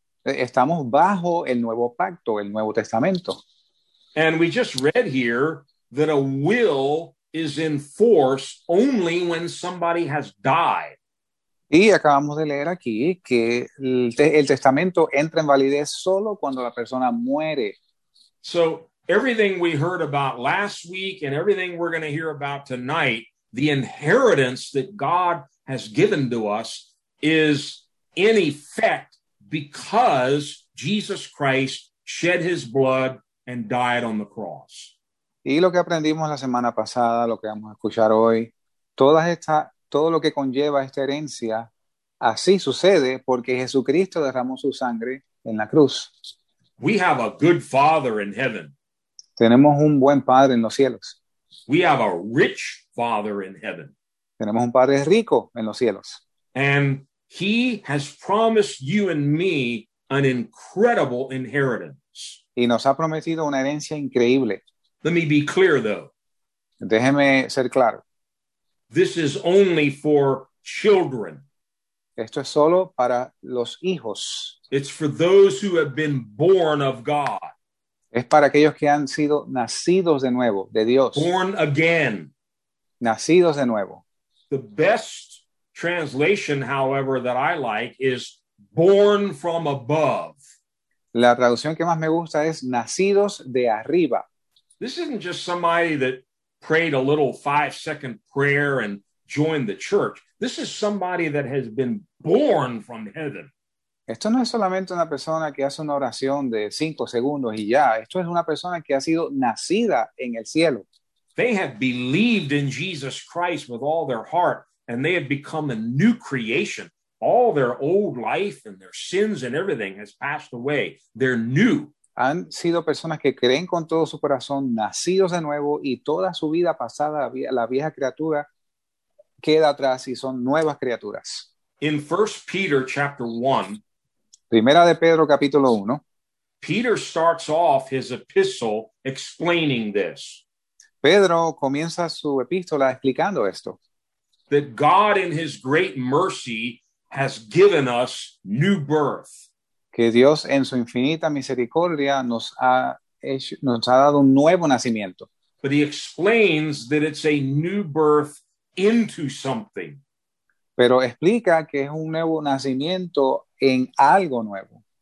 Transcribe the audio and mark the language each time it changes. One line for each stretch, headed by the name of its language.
Spanish: Estamos bajo el nuevo pacto, el nuevo testamento.
English: And we just read here that a will is in force only when somebody has died.
Spanish: Y acabamos de leer aquí que el testamento entra en validez solo cuando la persona muere.
English: So everything we heard about last week and everything we're going to hear about tonight, the inheritance that God has given to us is in effect because Jesus Christ shed his blood and died on the cross.
Spanish: Y lo que aprendimos la semana pasada, lo que vamos a escuchar hoy, todo lo que conlleva esta herencia, así sucede porque Jesucristo derramó su sangre en la cruz.
English: We have a good father in heaven.
Spanish: Tenemos un buen padre en los cielos.
English: We have a rich father in heaven.
Spanish: Tenemos un padre rico en los cielos.
English: And He has promised you and me an incredible inheritance.
Spanish: Y nos ha prometido una herencia increíble.
English: Let me be clear, though.
Spanish: Déjeme ser claro.
English: This is only for children.
Spanish: Esto es solo para los hijos.
English: It's for those who have been born of God.
Spanish: Es para aquellos que han sido nacidos de nuevo, de Dios.
English: Born again.
Spanish: Nacidos de nuevo.
English: The best translation, however, that I like is born from above.
Spanish: La traducción que más me gusta es nacidos de arriba.
English: This isn't just somebody that prayed a little 5-second prayer and joined the church. This is somebody that has been born from heaven.
Spanish: Esto no es solamente una persona que hace una oración de 5 segundos y ya. Esto es una persona que ha sido nacida en el cielo.
English: They have believed in Jesus Christ with all their heart, and they have become a new creation. All their old life and their sins and everything has passed away. They're new.
Spanish: Han sido personas que creen con todo su corazón, nacidos de nuevo, y toda su vida pasada, la vieja criatura, queda atrás y son nuevas criaturas.
English: In 1 Peter chapter 1,
Spanish: Primera de Pedro capítulo 1,
English: Peter starts off his epistle explaining this.
Spanish: Pedro comienza su epístola explicando esto.
English: That God in his great mercy has given us new birth.
Spanish: Que Dios en su infinita misericordia nos ha dado un nuevo nacimiento.
English: But he explains that it's a new birth into something.
Spanish: Pero explica que es un nuevo nacimiento en algo nuevo.